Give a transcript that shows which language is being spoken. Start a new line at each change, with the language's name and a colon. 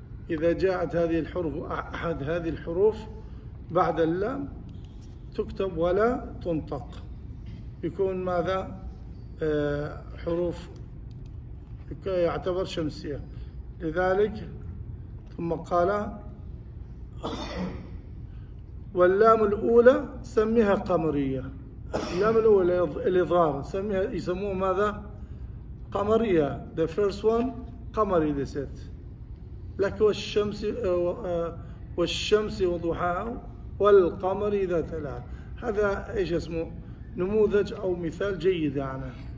Arabic: إذا جاءت هذه الحروف أحد هذه الحروف بعد اللام تكتب ولا تنطق، يكون ماذا؟ حروف يعتبر شمسية. لذلك ثم قال واللام الأولى سميها قمرية. اللام الأولى الإظهار سميها يسموه ماذا؟ قمرية.
English: The first one قمري they said.
Arabic: لك والشمس والشمس وضحاها والقمر إذا تلاها. هذا إيش اسمه نموذج أو مثال جيد يعني.